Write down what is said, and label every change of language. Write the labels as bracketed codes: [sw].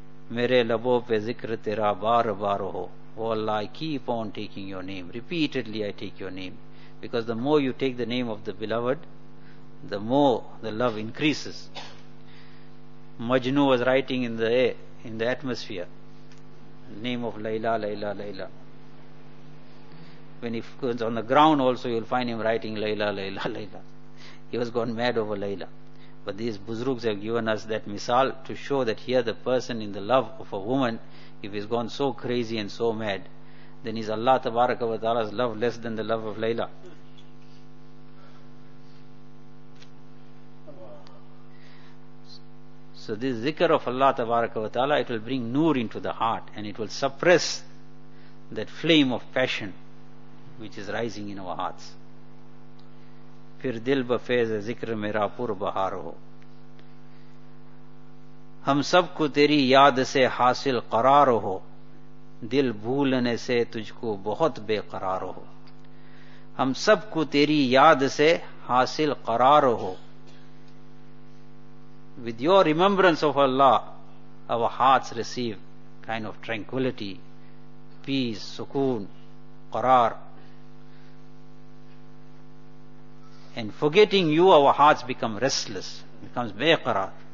[ur] میرے لبوں پہ ذکر تیرا بار بار ہو. [en] Oh Allah, I keep on taking Your name. Repeatedly I take Your name. Because the more you take the name of the beloved, the more the love increases. Majnu was writing in the air, in the atmosphere, name of Layla, Layla, Layla. When he was on the ground also, you'll find him writing Layla, Layla, Layla. He was gone mad over Layla. But these buzrugs have given us that misal to show that here the person in the love of a woman, if he's gone so crazy and so mad, then is Allah Tabaraka wa Ta'ala's love less than the love of Layla? So this zikr of Allah Tabaraka wa Ta'ala, it will bring noor into the heart and it will suppress that flame of passion which is rising in our hearts. [ur] پھر دل بفیض ذکر میرا پر بہار ہو. ہم سب کو تیری یاد سے حاصل قرار ہو, دل بھولنے سے تجھ کو بہت بے قرار ہو. ہم سب کو تیری یاد سے حاصل قرار ہو. [en] With your remembrance of Allah, our hearts receive kind of tranquility, peace, sukoon, qarar. And forgetting You, our hearts become restless, becomes beqarar.